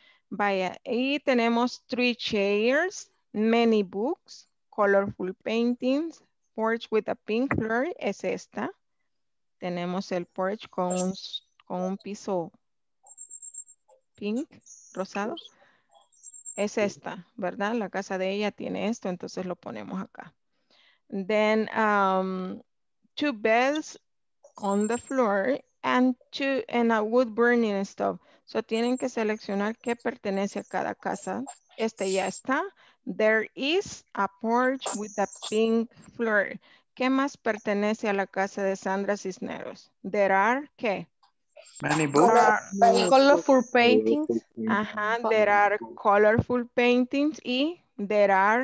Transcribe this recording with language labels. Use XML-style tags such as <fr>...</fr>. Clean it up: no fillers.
<en>Vaya, y tenemos three chairs, many books, colorful paintings, porch with a pink floor, es esta.</en> <es>Tenemos el porch con un piso pink, rosado. Es esta, ¿verdad? La casa de ella tiene esto, entonces lo ponemos acá.</es> <en>Then, two beds on the floor and a wood burning stove.</en> <es>So, tienen que seleccionar qué pertenece a cada casa. Este ya está.</es> <en>There is a porch with a pink floor.</en> <es>¿Qué más pertenece a la casa de Sandra Cisneros?</es> <en>There are, ¿qué? Many books. Colorful paintings. Ajá, there are colorful paintings y there are</en>